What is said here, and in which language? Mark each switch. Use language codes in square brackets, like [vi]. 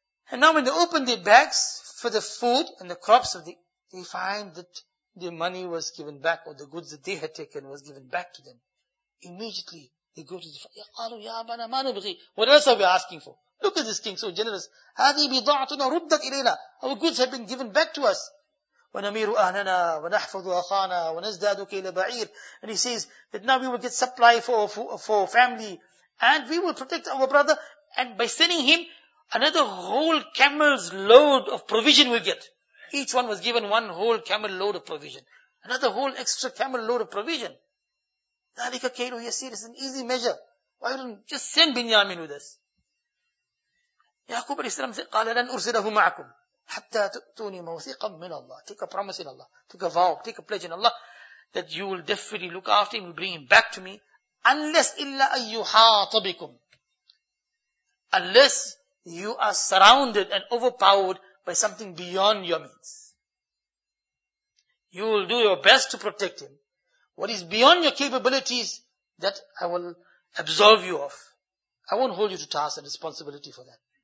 [en] And now when they open their bags for the food and the crops of the, they find that the money was given back or the goods that they had taken was given back to them. Immediately, they go to the father. [ar] يَقَالُوا يَا أَبَنَا مَا نُبْغِي [en] What else are we asking for? Look at this king, so generous. [ar] هَذِي بِضَاعَتُنَا رُدَّتْ إِلَيْنَا [en] Our goods have been given back to us. [ar] ونمير أهلنا ونحفظ أخانا ونزداد كيل بعير. [en] And he says that now we will get supply for family, and we will protect our brother, and by sending him another whole camel's load of provision we'll get. Each one was given one whole camel load of provision. Another whole extra camel load of provision. [ar] ذَلِكَ كَيْلُ يَسِيرٌ. [en] It's an easy measure. Why don't you just send Binyamin with us? Yaqub alayhi salam said, [ar] قَالَ لَنْ أُرْسِلَهُ مَعَكُمْ حَتَّى تُؤْتُونِي مَوْثِقًا مِنَ اللَّهِ. [en] Take a promise in Allah. Take a vow. Take a pledge in Allah that you will definitely look after him and bring him back to me. [ar] Unless إِلَّا أَن يُحَاطَ بِكُمْ. [en] Unless you are surrounded and overpowered by something beyond your means. You will do your best to protect him. What is beyond your capabilities, that I will absolve you of. I won't hold you to task and responsibility for that.